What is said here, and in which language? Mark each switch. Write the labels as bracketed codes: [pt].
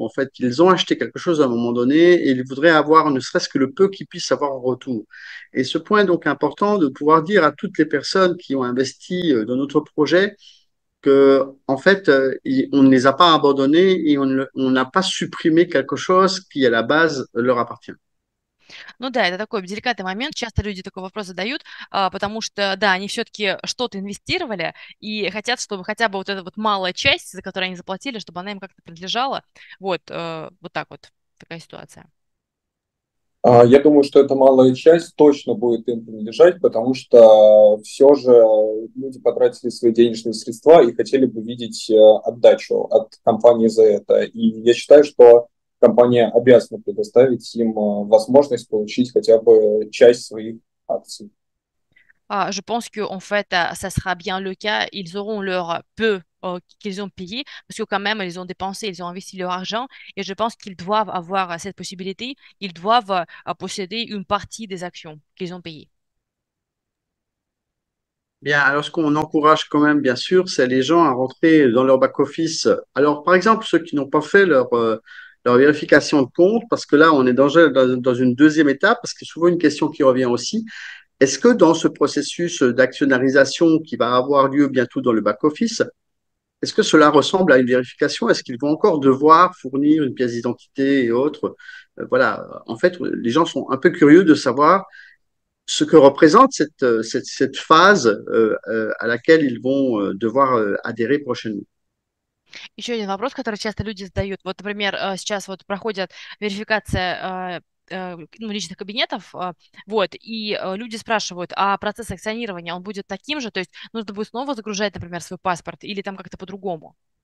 [fr] En fait, ils ont acheté quelque chose à un moment donné et ils voudraient avoir ne serait-ce que le peu qu'ils puissent avoir en retour. Et ce point est donc important de pouvoir dire à toutes les personnes qui ont investi dans notre projet que, en fait, on ne les a pas abandonnés et on n'a pas supprimé quelque chose qui, à la base, leur appartient. [ru] Ну да, это такой деликатный момент. Часто люди такой вопрос задают, потому что, да, они все-таки что-то инвестировали и хотят, чтобы хотя бы вот эта вот малая часть, за которую они заплатили, чтобы она им как-то принадлежала. Вот, вот так вот такая ситуация. Я думаю, что эта малая часть точно будет им принадлежать, потому что все же люди потратили свои денежные средства и хотели бы видеть отдачу от компании за это. И я считаю, что компания обязана предоставить им возможность получить хотя бы часть своих акций. [fr] Je pense que en fait, ça sera bien le cas. Ils auront leur peu qu'ils ont payé, parce que quand même, ils ont dépensé, ils ont investi leur argent, et je pense qu'ils doivent avoir cette possibilité. Ils doivent posséder une partie des actions qu'ils ont payées. Bien, alors ce qu'on encourage quand même, bien sûr, c'est les gens à rentrer dans leur back-office. Alors, par exemple, ceux qui n'ont pas fait leur vérification de compte, parce que là, on est dans une deuxième étape, parce que souvent une question qui revient aussi, est-ce que dans ce processus d'actionnarisation qui va avoir lieu bientôt dans le back-office, est-ce que cela ressemble à une vérification? Est-ce qu'ils vont encore devoir fournir une pièce d'identité et autres? Voilà, en fait, les gens sont un peu curieux de savoir ce que représente cette phase à laquelle ils vont devoir adhérer prochainement. [ru] Еще один вопрос, который часто люди задают. Вот, например, сейчас вот проходит верификация ну, личных кабинетов, вот, и люди спрашивают, а процесс акционирования, он будет таким же? То есть нужно будет снова загружать, например, свой паспорт или там как-то по-другому?